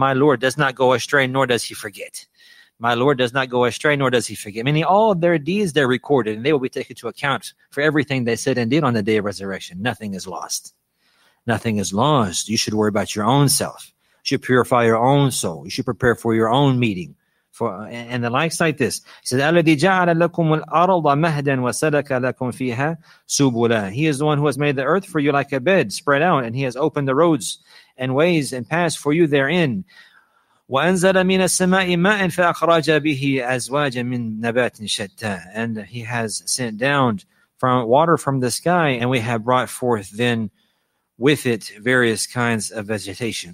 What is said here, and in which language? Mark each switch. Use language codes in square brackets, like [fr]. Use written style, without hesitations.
[en] My Lord does not go astray, nor does he forget. My Lord does not go astray, nor does he forget. Meaning all of their deeds, they're recorded, and they will be taken to account for everything they said and did on the day of resurrection. Nothing is lost. Nothing is lost. You should worry about your own self. You should purify your own soul. You should prepare for your own meeting. And the likes like this. He says, [ar] أَلَّذِي جَعَلَ لَكُمُ الْأَرْضَ مَهْدًا وَسَلَكَ لَكُمْ فِيهَا سُبُلًا. [en] He is the one who has made the earth for you like a bed spread out, and he has opened the roads and ways and paths for you therein. [ar] وَأَنْزَلَ مِنَ السَّمَاءِ مَاءً فَأَخْرَجَ بِهِ أَزْوَاجًا مِنْ نَبَاتٍ شَتَّى. [en] And he has sent down from water from the sky, and we have brought forth then with it various kinds of vegetation.